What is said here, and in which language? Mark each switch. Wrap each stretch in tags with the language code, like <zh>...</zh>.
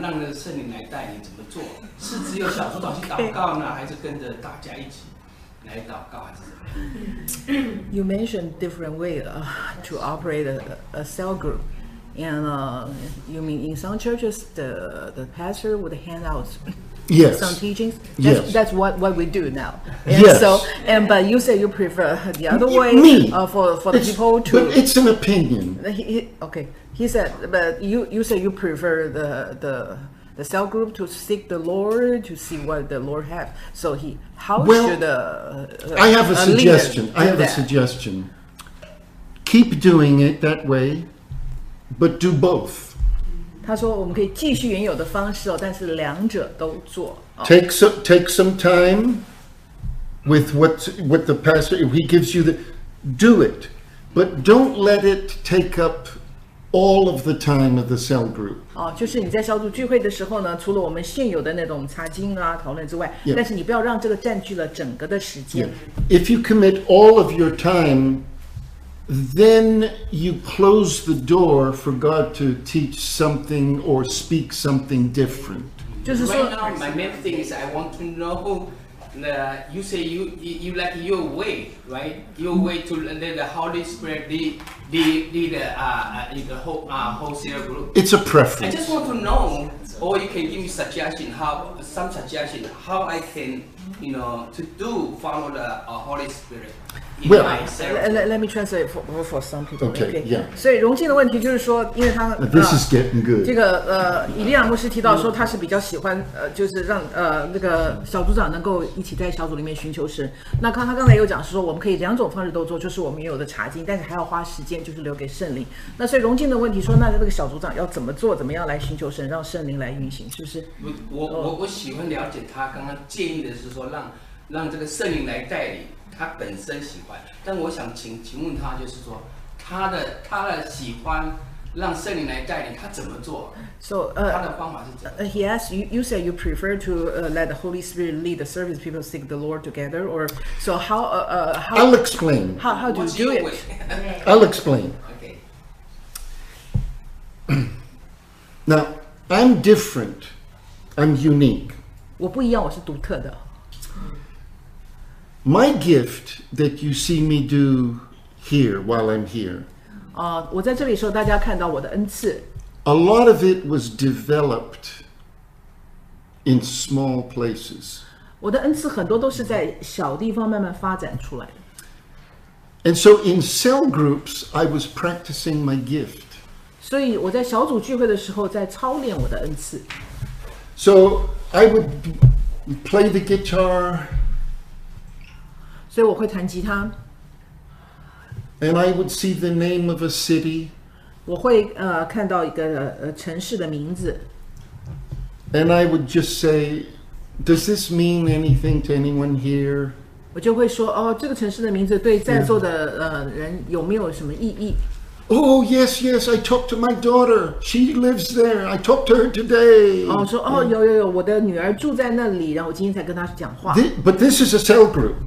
<zh>让那个圣灵来带领怎么做？是只有小组长去祷告呢，还是跟着大家一起来祷告，还是怎么样</zh> <en>？You mentioned different way to operate a cell group, and you mean in some churches the pastor would hand out. Yes. Some teachings. That's, yes. That's what we do now. And yes. So and but you say you prefer the other way. Me. For the people to. But it's an opinion. Okay. He said, but you say you prefer the cell group to seek the Lord to see what the Lord has. So he how well, should a I have a suggestion. A I have、 that? A suggestion. Keep doing it that way, but do both.</en> <zh>他说我们可以继续原有的方式，但是两者都做。</zh> <en>Take some time with what the pastor, if he gives you the, do it. But don't let it take up all of the time of the cell group.</en> <zh>就是你在小组聚会的时候呢，除了我们现有的那种查经啊，讨论之外，</zh> <en>yeah.</en> <zh>但是你不要让这个占据了整个的时间。</zh> <en>Yeah. If you commit all of your time,Then you close the door for God to teach something or speak something different. Right now, my main thing is I want to know you say you like your way, right? Your way to let the Holy Spirit lead the whole cell group. It's a preference. I just want to know, or you can give me some suggestion how I can, you know, to do follow the Holy Spirit. Let me translate for some people.</en> <zh>我喜欢了解他刚刚建议的是说让让这个圣灵来带领，他本身喜欢。但我想请问他，就是说他的喜欢让圣灵来带领，他怎么做？</zh> <en>So,</en> <zh>他的方法是怎么？</zh> <en>Yes, you say you prefer to let the Holy Spirit lead the service people seek the Lord together, or so how? I'll explain. How do、 What's、 you do it? I'll explain. Okay. Now I'm different. I'm unique.</en> <zh>我不一样，我是独特的。</zh> <en>My gift that you see me do here while I'm here.</en> <zh>我在这里时候，大家看到我的恩赐。</zh> <en>A lot of it was developed in small places.</en> <zh>我的恩赐很多都是在小地方慢慢发展出来的。</zh> <en>And so in cell groups, I was practicing my gift.</en> <zh>所以我在小组聚会的时候，在操练我的恩赐。</zh> <en>So I would play the guitar.</en> <zh>所以我会弹吉他。</zh> <en>And I would see the name of a city.</en> <zh>我会看到一个城市的名字。</zh> <en>And I would just say, does this mean anything to anyone here?</en> <zh>我就会说哦，这个城市的名字对在座的人有没有什么意义？</zh> <en>Oh yes, yes. I talked to my daughter. She lives there. I talked to her today.</en> <zh>哦，说哦， yeah. 有，我的女儿住在那里，然后我今天才跟她讲话。</zh> <en>But this is a cell group.</en>